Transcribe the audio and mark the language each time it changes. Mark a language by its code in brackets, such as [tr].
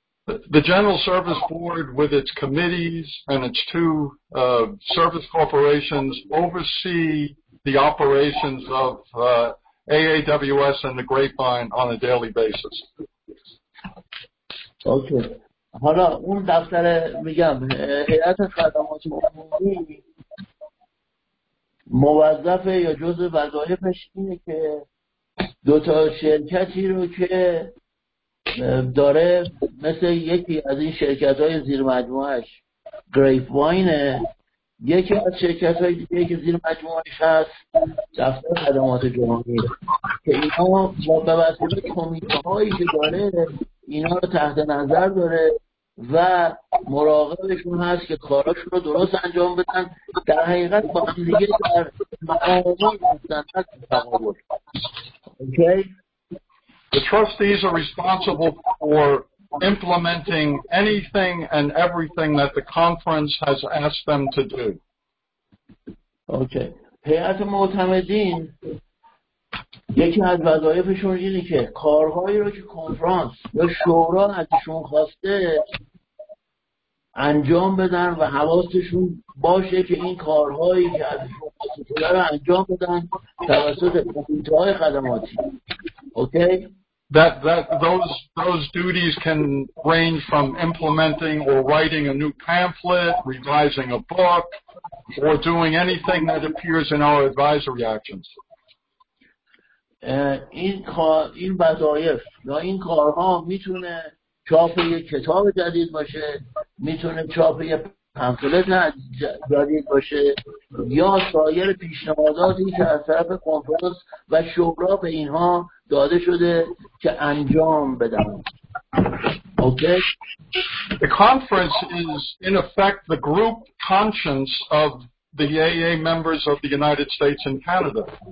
[en] The General Service Board, with its committees and its two service corporations, oversee the operations of AAWS and the Grapevine on a daily basis. Okay. [fa] حالا اون دفتر میگم هیئت خدمات عمومی موظفه یا جزء وظایفش اینه که دو تا شرکتی رو که داره مثل یکی از این شرکت‌های زیر مجموعه‌اش گریپ واینه، یکی از شرکت‌های دیگه که زیر مجموعه‌اش هست دفتر خدمات جهانی، که اینا با بواسطه کمیته‌هایی که داره اینا رو تحت نظر داره و مراقبشون هست که کاراشون رو درست انجام بدن. در حقیقت با هم دیگه در مقامات هستن. [en] Okay? The trustees are responsible for implementing anything and everything that the conference has asked them to do. Okay. [fa] هیئت معتمدین یکی از وظایفشون اینه که کارهایی رو که کنفرانس یا شورا ازشون خواسته انجام بدن و حواسشون باشه که این کارهایی که ازشون خواسته رو انجام بدن توسط کمیته‌های خدماتی. [en] Okay. Those duties can range from implementing or writing a new pamphlet, revising a book, or doing anything that appears in our advisory actions. [fa] این وظایف یا این کارها میتونه چاپ یک کتاب جدید باشه، میتونه چاپ یک پمفلت جدید باشه یا سایر پیشنهاداتی که از طرف کنفرانس و شورا به اینها داده شده که انجام بدن. [en] Okay? The conference is in effect the group conscience of the AA members of the United States and Canada.